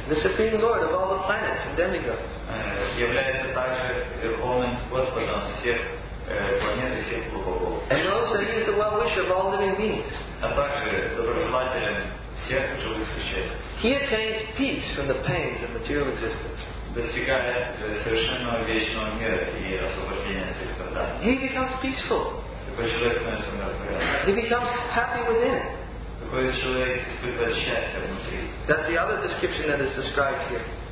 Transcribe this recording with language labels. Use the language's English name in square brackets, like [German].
[English] The Supreme Lord of all the planets and demigods. [Russian] Является также Верховным Господом всех планет и всех полубогов. [English] And knows that he is the well-wisher of all living beings. [Russian] А также доброжелателем всех живых существ. [English] He attains peace from the pains of material existence. [Russian] Достигает совершенного вечного мира и освобождения от всех страданий. [English] He becomes peaceful. [Russian] Такой человек становится умиротворенным. [English] He becomes happy within. [Russian] Такой человек испытывает счастье внутри. [English] That's the other description that is described here.